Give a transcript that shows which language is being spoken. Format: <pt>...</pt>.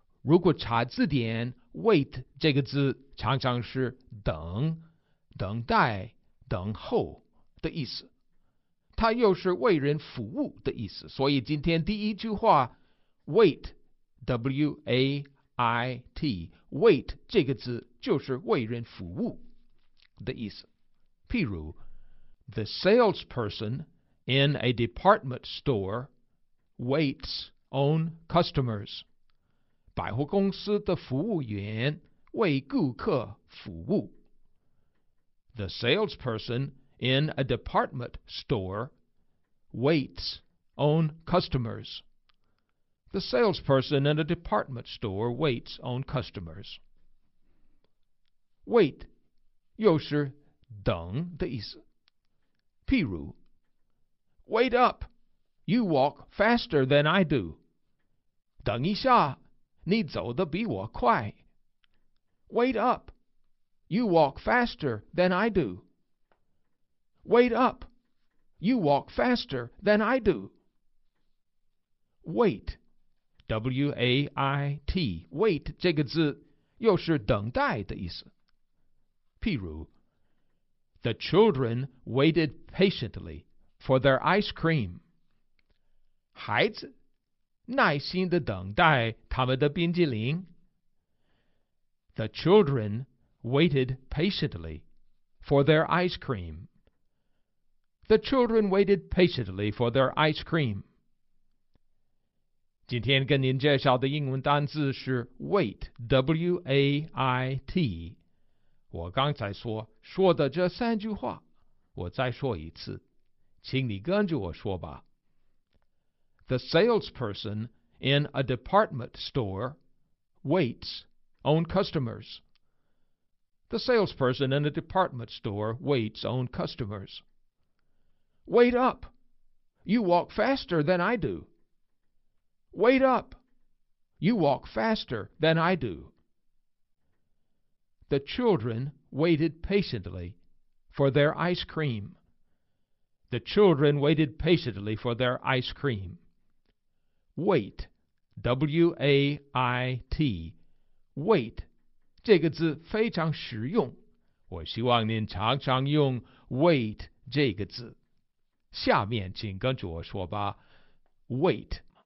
<zh>如果查字典， wait 这个字常常是等、等待、等候的意思，它又是为人服务的意思，所以今天第一句话 wait， W-A-I-T， wait 这个字就是为人服务的意思。</zh> <en>譬如 The salesperson in a department store waits on customers，</en> <zh>百货公司的服务员为顾客服务。</zh> <en>The salesperson in a department store waits on customers。 The salesperson in a department store waits on customers。</en> <zh>Wait 又是等的意思。</zh> <en>譬如 Wait up, you walk faster than I do，</en> <zh>等一下，你走得比我快。</zh> <en>Wait up, you walk faster than I do， Wait up, you walk faster than I do。</en> <zh>Wait， W-A-I-T， Wait 这个字又是等待的意思。</zh> <en>譬如The children waited patiently for their ice cream.</en> <zh>孩子耐心地等待他们的冰激凌。</zh> <en>The children waited patiently for their ice cream. The children waited patiently for their ice cream.</en> <zh>今天跟您介绍的英文单字是 wait, W-A-I-T。我刚才说的这三句话，我再说一次，请你跟着我说吧。</zh> <en>The salesperson in a department store waits on customers. The salesperson in a department store waits on customers. Wait up, you walk faster than I do. Wait up, you walk faster than I do. The children waited patiently for their ice cream. The children waited patiently for their ice cream.</en> <zh>Wait, W-A-I-T, wait, 这个字非常实用。我希望您常常用 wait 这个字。下面请跟着我说吧， wait.</zh>